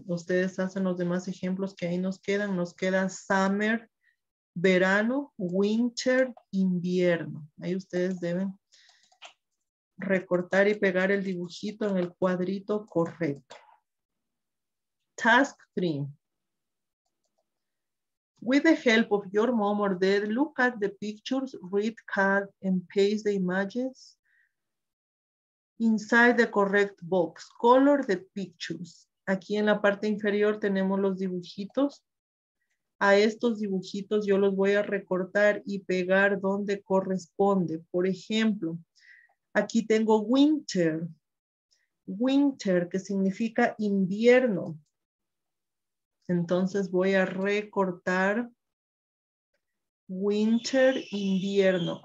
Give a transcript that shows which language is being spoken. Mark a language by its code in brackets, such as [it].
[es] Ustedes hacen los demás ejemplos que ahí nos quedan. Nos queda summer, verano, winter, invierno. Ahí ustedes deben recortar y pegar el dibujito en el cuadrito correcto. [en] Task 3. With the help of your mom or dad, look at the pictures, read, cut, and paste the images inside the correct box. Color the pictures. [es] Aquí en la parte inferior tenemos los dibujitos. A estos dibujitos yo los voy a recortar y pegar donde corresponde. Por ejemplo, aquí tengo winter. Winter, que significa invierno. Entonces voy a recortar winter, invierno.